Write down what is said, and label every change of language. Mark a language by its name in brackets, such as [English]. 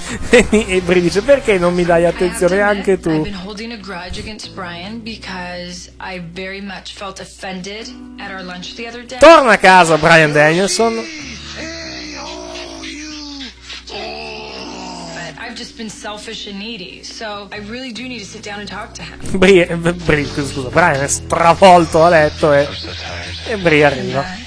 [Italian] E Brie dice: perché non mi dai attenzione anche tu? [English] I've been holding a grudge against Brian because I very much felt offended at our lunch the other day. [Italian] Torna a casa, Brian Danielson. [English] Just been selfish and needy, so I really do need to sit down and talk to him. [Italian] Scusa, Brian è stravolto a letto e Brie arriva.